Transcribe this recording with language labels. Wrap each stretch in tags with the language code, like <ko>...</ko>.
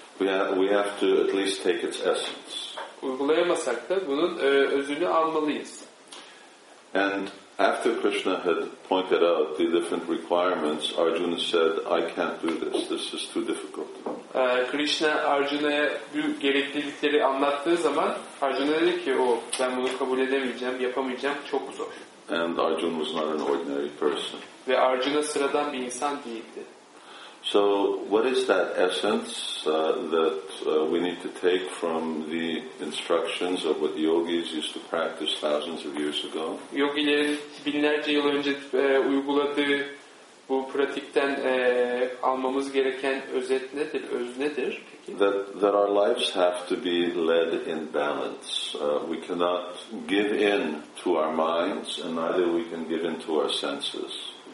<en>We have to at least take its essence.</en> <tr>Uygulayamasak da bunun özünü almalıyız.</tr> <en>And after Krishna had pointed out the different requirements, Arjuna said, "I can't do this. This is too difficult."</en> <tr>Krishna Arjuna'ya gereklilikleri anlattığı zaman Arjuna dedi ki, ben bunu kabul edemeyeceğim, yapamayacağım, çok zor.</tr> <en>And Arjuna was not an ordinary person.</en> <tr>Ve Arjuna sıradan bir insan değildi.</tr> <en>So what is that essence that we need to take from the instructions of what yogis used to practice thousands of years ago?</en> <tr>Yogilerin binlerce yıl önce uyguladığı bu pratikten almamız gereken özet nedir, öz nedir?</tr> <en>That our lives have to be led in balance. We cannot give in to our minds and neither we can give in to our senses.</en>